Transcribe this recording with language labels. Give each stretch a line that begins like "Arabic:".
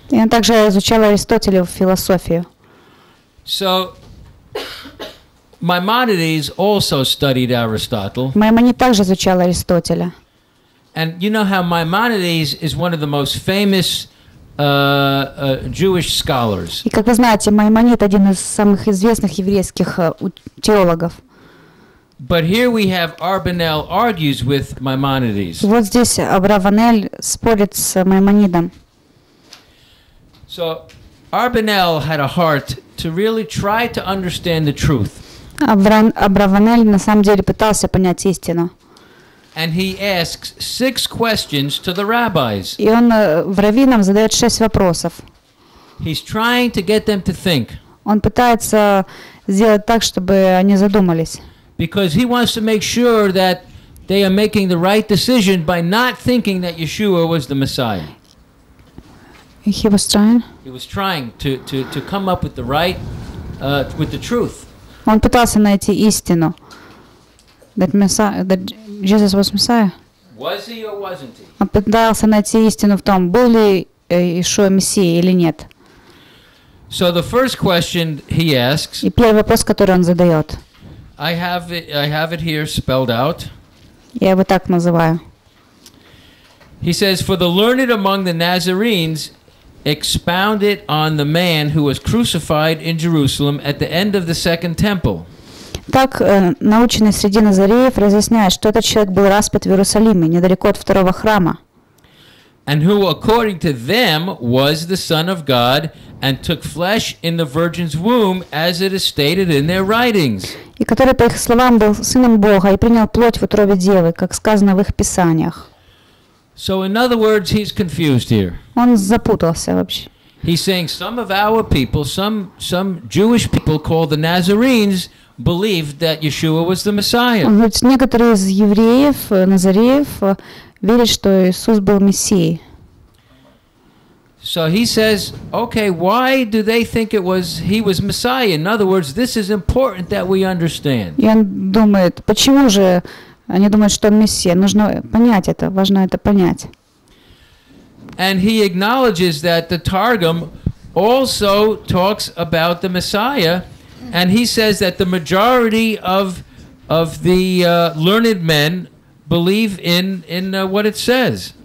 Russian: И он также изучал Аристотеля философию.
English: So Maimonides also studied Aristotle.
Russian: Маймонид также изучал Аристотеля.
English: And you know how Maimonides is one of the most famous Jewish scholars.
Russian: И как вы знаете, Маймонид один из самых известных еврейских теологов.
English: But here we have Abravanel argues with Maimonides.
Russian: Вот здесь Абравамель спорит с Маймонидом.
English: So Abravanel had a heart to really try to understand the truth.
Russian: Абравамель на самом деле пытался понять истину.
English: And he asks six questions to the rabbis.
Russian: И он раввинам задает шесть вопросов.
English: He's trying to get them to think.
Russian: Он пытается сделать так, чтобы они задумались.
English: Because he wants to make sure that they are making the right decision by not thinking that Yeshua was the Messiah. He was trying to come up with the right with the truth.
Russian: Он пытался найти истину.
English: That Jesus was Messiah. Was he or wasn't he?
Russian: Он пытался найти истину в том, был ли Иешуа Мессией или нет.
English: So the first question he asks.
Russian: И первый вопрос, который он задает.
English: I have it here spelled out.
Russian: Я его так называю.
English: He says, for the learned among the Nazarenes expounded on the man who was crucified in Jerusalem at the end of the second temple.
Russian: Так наученный среди Назареев разъясняет, что этот человек был распят в Иерусалиме, недалеко от второго храма.
English: And who, according to them, was the Son of God and took flesh in the virgin's womb, as it is stated in their writings.
Russian: И который, по их словам, был сыном Бога и принял плоть в утробе девы, как сказано в их писаниях.
English: So in other words, he's confused here.
Russian: Он запутался вообще.
English: He's saying some of our people, some Jewish people called the Nazarenes, believed that Yeshua was the Messiah.
Russian: Он говорит, некоторые из евреев, Назареев, верят, что Иисус был Мессией.
English: So he says, okay, why do they think it was he was Messiah? In other words, this is important that we understand.
Russian: И он думает, почему же они думают, что он Мессия? Нужно понять это, важно это понять.
English: And he acknowledges that the Targum also talks about the Messiah, and he says that the majority of the learned men believe in what it says.